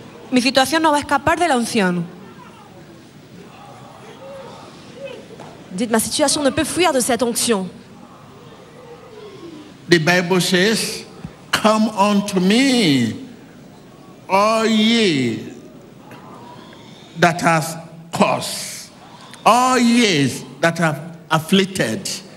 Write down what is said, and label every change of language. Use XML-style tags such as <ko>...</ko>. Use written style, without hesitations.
<es>Mi situación no va a escapar de la unción.</es> <fr>Dites, ma situation ne peut fuir de cette onction.</fr> <en>The Bible says, come unto me, all ye that have cause, all ye that have afflicted.</en>